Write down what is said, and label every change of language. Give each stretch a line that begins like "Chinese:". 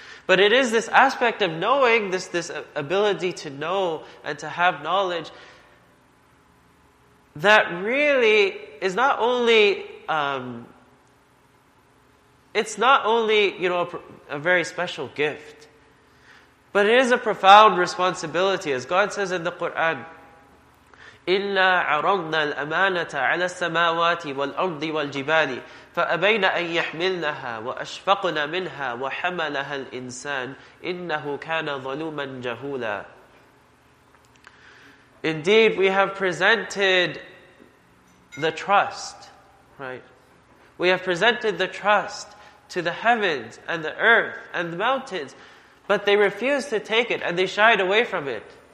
English: But it is this aspect of knowing, this ability to know and to have knowledge that really is not only, it's not only, you know, a very special gift, but it is a profound responsibility. As God says in the Quran,
Arabic: إِنَّا عَرَضْنَا الْأَمَانَةَ عَلَى السَّمَاوَاتِ وَالْأَرْضِ وَالْجِبَالِ فَأَبَيْنَ أَن يَحْمِلْنَهَا وَأَشْفَقْنَ مِنْهَا وَحَمَلَهَا الْإِنسَانِ إِنَّهُ كَانَ ظَلُومًا جَهُولًا.
English: Indeed, we have presented the trust, right? We have presented the trust to the heavens and the earth and the mountains, but they refused to take it and they shied away from it.